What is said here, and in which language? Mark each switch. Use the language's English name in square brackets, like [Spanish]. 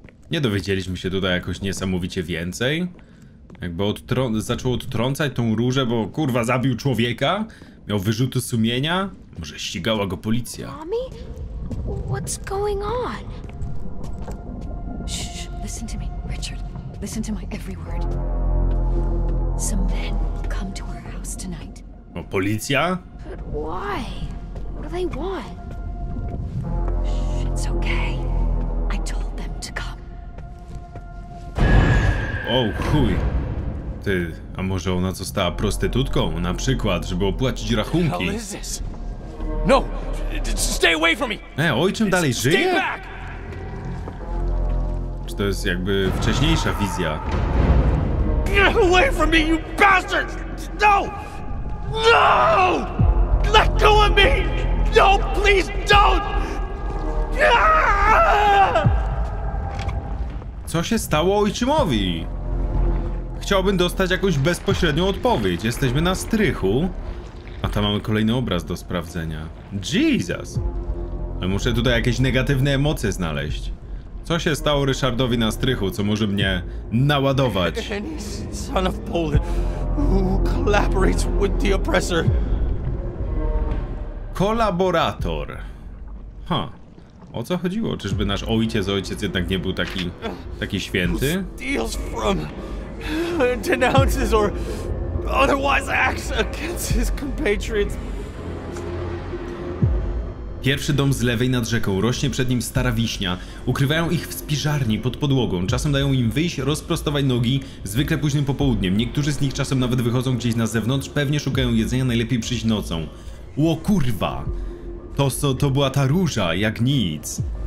[Polish] Nie dowiedzieliśmy się tutaj jakoś niesamowicie więcej. Jakby zaczął odtrącać tą różę, bo kurwa zabił człowieka. Miał wyrzuty sumienia. Może ścigała go policja. [English] Mami? What's going on? Shh, listen to me, Richard. Listen to my every word. Some men come to our house tonight. [Polish] No, policja? [English] But why? What do they want? Shh, it's okay. I told them to come. [Polish] Oh, chuj. Ty, a może ona została prostytutką, na przykład, żeby opłacić rachunki? [English] What is this? No, stay away from me. [Polish] Ej, ojczym dalej żyje? To jest jakby wcześniejsza wizja. [English] Get away from me, you bastard! No! No! Let go of me! No, please don't! [Polish] Co się stało ojczymowi? Chciałbym dostać jakąś bezpośrednią odpowiedź. Jesteśmy na strychu. A tam mamy kolejny obraz do sprawdzenia. Jesus! Ale muszę tutaj jakieś negatywne emocje znaleźć. Co się stało Ryszardowi na strychu, co może mnie naładować? [English] Any son of Poland who collaborates with the oppressor. [Polish] Kolaborator. Ha. Huh. O co chodziło? Czyżby nasz ojciec jednak nie był taki święty? [English] Steals from, denounces or otherwise acts against his compatriots. [Polish] Pierwszy dom z lewej nad rzeką, rośnie przed nim stara wiśnia. Ukrywają ich w spiżarni pod podłogą. Czasem dają im wyjść, rozprostować nogi, zwykle późnym popołudniem. Niektórzy z nich czasem nawet wychodzą gdzieś na zewnątrz, pewnie szukają jedzenia, najlepiej przyjść nocą. Ło kurwa! To była ta róża, jak nic.